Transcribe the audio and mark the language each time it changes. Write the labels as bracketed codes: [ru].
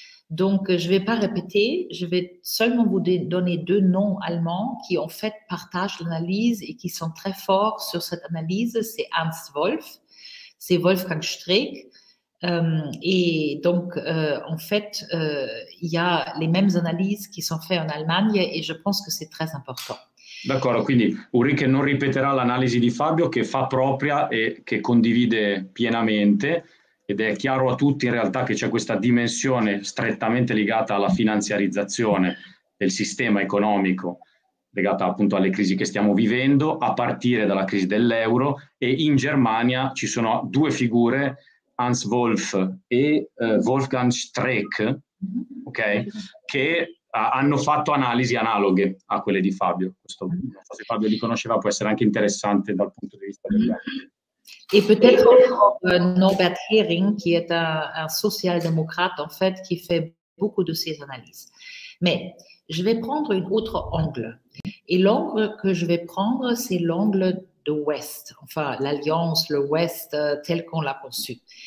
[fr] Donc, je ne vais pas répéter, je vais seulement vous donner deux noms allemands qui, en fait, partagent l'analyse et qui sont très forts sur cette analyse. C'est Ernst Wolf, c'est Wolfgang Streeck. Et donc, en fait, il y a les mêmes analyses qui sont faites en Allemagne et je pense que c'est très important. [it] D'accordo, quindi Ulrike non ripeterà l'analisi di Fabio, che fa propria e che condivide pienamente, ed è chiaro a tutti in realtà che c'è questa dimensione strettamente legata alla finanziarizzazione del sistema economico, legata appunto alle crisi che stiamo vivendo, a partire dalla crisi dell'euro, e in Germania ci sono due figure, Hans Wolf e Wolfgang Streeck, okay, che hanno fatto analisi analoghe a quelle di Fabio. Questo, non so se Fabio li conosceva, può essere anche interessante dal punto di vista degli altri. [fr] E peut-être Norbert Hering, [it] che è un socialdemocrate, [fr] en fait, qui fait beaucoup de ces analyses. Mais je vais prendre un autre angle. Et l'angle que je vais prendre, c'est l'angle de l'Ouest, enfin l'Alliance, le West tel qu'on l'a conçu.